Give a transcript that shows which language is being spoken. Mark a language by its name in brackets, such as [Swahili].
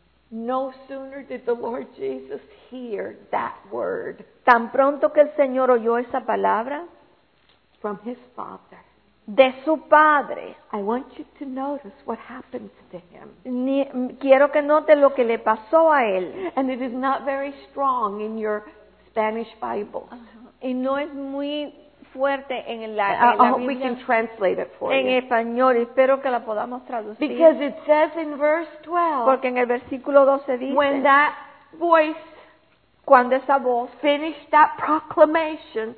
[English] No sooner did the Lord Jesus hear that word, [Spanish] tan pronto que el Señor oyó esa palabra, [English] from his Father, [Spanish] de su Padre, [English] I want you to notice what happened to him. [Spanish] Quiero que note lo que le pasó a él. [English] And it is not very strong in your Spanish Bible. [Spanish] Y no es muy fuerte en la Biblia. [English] I hope we can translate it for [Spanish] en [English] you. [Spanish] En español, espero que la podamos traducir. [English] Because it says in verse 12. [Spanish] Porque en el versículo 12 dice. [English] When that voice, [Spanish] cuando esa voz, [English] finished that proclamation,